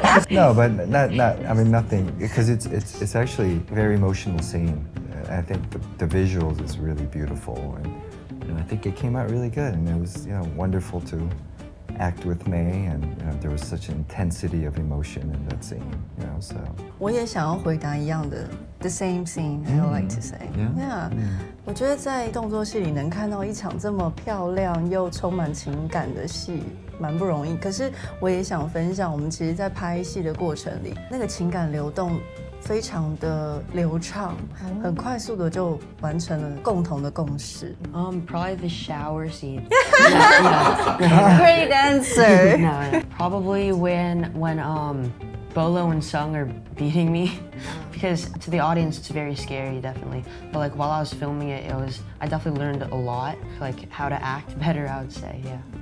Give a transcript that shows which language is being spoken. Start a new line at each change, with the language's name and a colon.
English: No, but not, I mean, nothing, because it's actually a very emotional scene. I think the visuals is really beautiful, and I think it came out really good, and it was, you know, wonderful to act with me, and you know, there was such intensity of emotion in that scene, you know, so.
Chinese: 我也想要回答一样的
English: the same scene, I would like to say. Yeah.
Chinese: 我觉得在动作戏里能看到一场这么漂亮又充满情感的戏蛮不容易，可是我也想分享，我们其实在拍戏的过程里那个情感流动非常的流畅，很快速的就完成了共同的共识。
English: Probably the shower scene. Great answer. No, probably when Bolo and Sung are beating me, because to the audience it's very scary, definitely. But like while I was filming it, I definitely learned a lot, like how to act better, I would say, yeah.